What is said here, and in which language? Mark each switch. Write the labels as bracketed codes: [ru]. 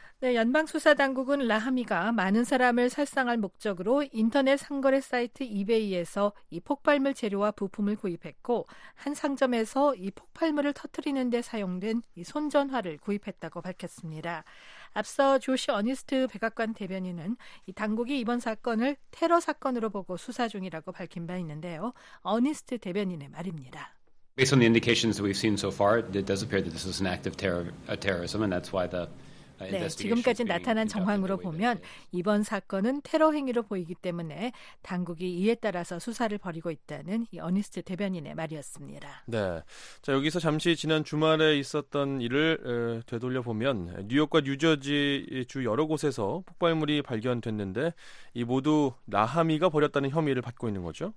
[ko] 네, 연방수사당국은 라하미가 많은 사람을 살상할 목적으로 인터넷 상거래 사이트 이베이에서 이 폭발물 재료와 부품을 구입했고 한 상점에서 이 폭발물을 터뜨리는 데 사용된 이 손전화를 구입했다고 밝혔습니다. 앞서 조시 어니스트 백악관 대변인은 이 당국이 이번 사건을 테러 사건으로 보고 수사 중이라고 밝힌 바 있는데요. 어니스트 대변인의 말입니다. [en] Based on the indications that we've seen so far, it does appear that this is an act of terrorism and that's why the [ko] 네, 지금까지 나타난 정황으로 보면 이번 사건은 테러 행위로 보이기 때문에 당국이 이에 따라서 수사를 벌이고 있다는 이 어니스트 대변인의 말이었습니다. 네, 자 여기서 잠시 지난 주말에 있었던 일을 되돌려보면 뉴욕과 뉴저지 주 여러 곳에서 폭발물이 발견됐는데 이 모두 라하미가 버렸다는 혐의를 받고 있는 거죠?